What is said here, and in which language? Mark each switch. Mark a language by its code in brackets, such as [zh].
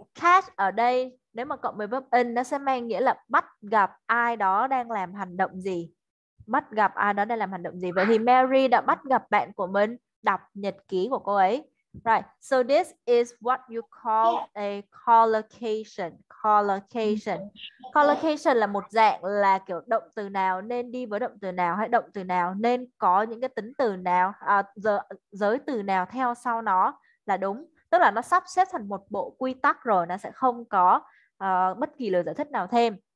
[vi] Catch ở đây, nếu mà cộng với verb in, nó sẽ mang nghĩa là bắt gặp ai đó đang làm hành động gì. Bắt gặp ai đó đang làm hành động gì. Vậy thì Mary đã bắt gặp bạn của mình đọc nhật ký của cô ấy. [en] Right. So this is what you call a collocation. Collocation. [vi] Collocation là một dạng là kiểu động từ nào nên đi với động từ nào, hay động từ nào nên có những cái tính từ nào, giới từ nào theo sau nó là đúng. Tức là nó sắp xếp thành một bộ quy tắc rồi, nó sẽ không có bất kỳ lời giải thích nào thêm.